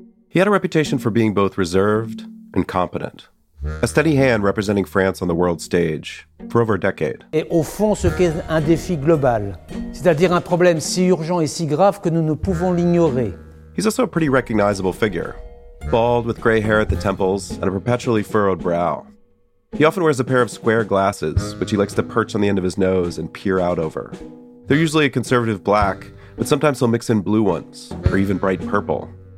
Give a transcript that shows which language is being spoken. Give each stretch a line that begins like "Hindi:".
English: He had a reputation for being both reserved and competent. A steady hand representing France on the world stage for over a decade.
French: Et au fond, ce qu'est un défi global, c'est-à-dire un problème si urgent et si grave que nous ne pouvons l'ignorer.
English: He's also a pretty recognizable figure, bald with gray hair at the temples and a perpetually furrowed brow. He often wears a pair of square glasses, which he likes to perch on the end of his nose and peer out over. They're usually a conservative black, but sometimes he'll mix in blue ones, or even bright purple.